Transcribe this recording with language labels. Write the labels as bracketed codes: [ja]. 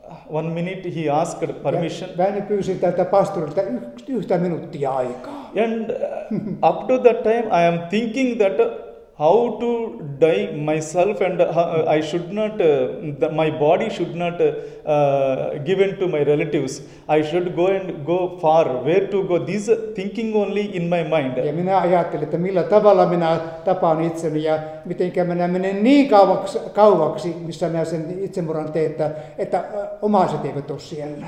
[en] One minute he asked permission. [fi] Väinö pyysi tältä pastorilta yhtä minuuttia aikaa. [en] And up to that time I am thinking that how to die myself and I should not, my body should not given to my relatives. I should go and go far, where to go. This thinking only in my mind. [fi] Ja minä ajattelin, että millä tavalla minä tapaan itseni ja mitenkä minä menen niin kauaksi, missä minä sen itsemurhan teen, että omaiset eivät ole siellä.